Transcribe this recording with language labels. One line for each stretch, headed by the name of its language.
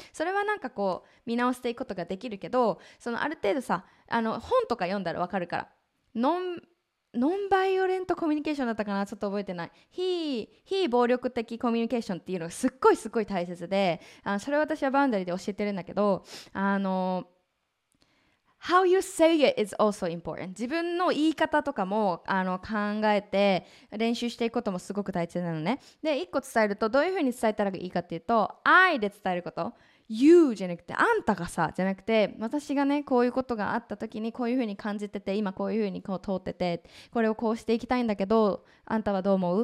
Japanese: それはなんかこう見直していくことができるけど、そのある程度さ、本とか読んだらわかるから、ノンバイオレントコミュニケーションだったかな、ちょっと覚えてない、非暴力的コミュニケーションっていうのがすっごいすごい大切で、それは私はバウンダリーで教えてるんだけど、
English: How you say it is also important.
Japanese: 自分の言い方とかも考えて練習していくこともすごく大切なのね。で、一個伝えると、どういうふうに伝えたらいいかっていうと、I で伝えること。 You じゃなくて、あんたがさ、じゃなくて、私がね、こういうことがあった時にこういうふうに感じてて、今こういうふうにこう通ってて、これをこうしていきたいんだけど、あんたはどう思う？